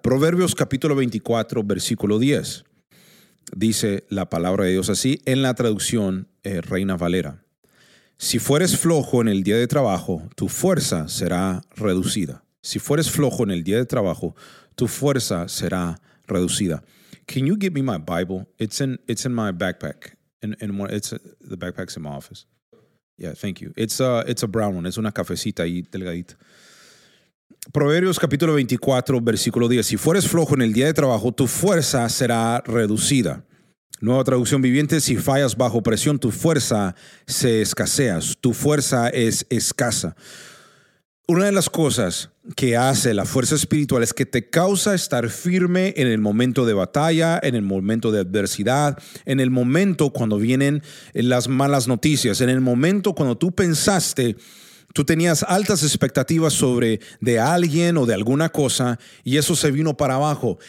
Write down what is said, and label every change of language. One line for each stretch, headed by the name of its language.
Spanish: Proverbios capítulo 24, versículo 10. Dice la palabra de Dios así en la traducción Reina Valera. Si fueres flojo en el día de trabajo, tu fuerza será reducida. Si fueres flojo en el día de trabajo, tu fuerza será reducida.
English: Can you give me my Bible? It's in my backpack. The backpack's in my office. Yeah, thank you. It's a brown one.
Spanish: Es una cafecita ahí delgadita. Proverbios capítulo 24, versículo 10. Si fueres flojo en el día de trabajo, tu fuerza será reducida. Nueva traducción viviente. Si fallas bajo presión, tu fuerza se escasea. Tu fuerza es escasa. Una de las cosas que hace la fuerza espiritual es que te causa estar firme en el momento de batalla, en el momento de adversidad, en el momento cuando vienen las malas noticias, en el momento cuando tú pensaste, tú tenías altas expectativas sobre de alguien o de alguna cosa y eso se vino para abajo.